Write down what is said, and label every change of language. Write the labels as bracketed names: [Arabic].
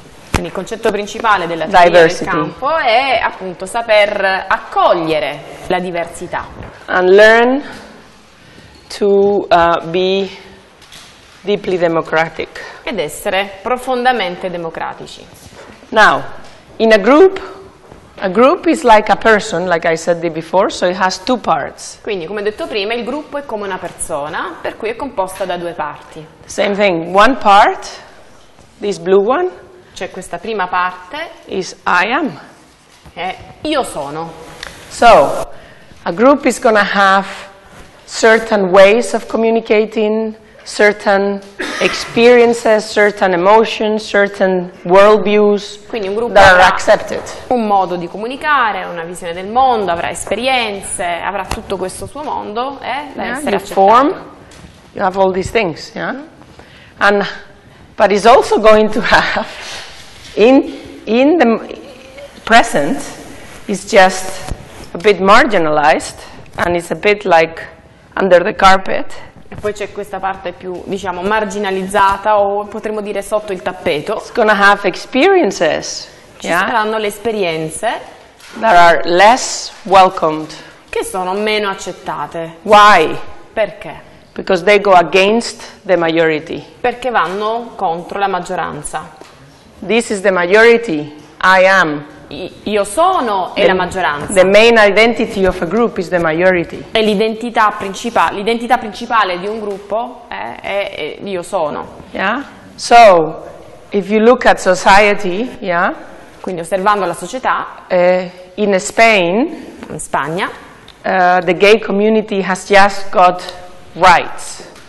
[Italian] Quindi il concetto principale della teoria del campo è appunto saper accogliere la diversità. [English] And learn to be deeply democratic. [Italian] Ed essere profondamente democratici. [English] Now, in a group is like a person, like I said before, so it has two parts. [Italian] Quindi, come detto prima, il gruppo è come una persona, per cui è composta da due parti. [English] Same thing, one part, this blue one, [Italian] cioè questa prima parte, [English] is I am. [Italian] È io sono. [English] So, a group is gonna have certain ways of communicating, certain experiences, certain emotions, certain worldviews that are accepted. [Italian] Un modo di comunicare, una visione del mondo, avrà esperienze, avrà tutto questo suo mondo, da essere accettato. [English] You form, you have all these things, yeah? And, but it's also going to have, in the present, it's just a bit marginalized, and it's a bit like under the carpet. [Italian] E poi c'è questa parte più, diciamo, marginalizzata o potremmo dire sotto il tappeto. [English] It's gonna have experiences, [Italian] ci saranno le esperienze [English] that are less welcomed. [Italian] Che sono meno accettate. [English] Why? [Italian] Perché? [English] Because they go against the majority. [Italian] Perché vanno contro la maggioranza. [English] This is the majority, I am. [Italian] Io sono e la maggioranza. [English] The main identity of a group is the majority. [Italian] E l'identità principale, di un gruppo è io sono. [English] Yeah. So, if you look at society, yeah. [Italian] Quindi osservando la società, [English] in Spain, [Italian] in Spagna, [English] the gay community has just got rights.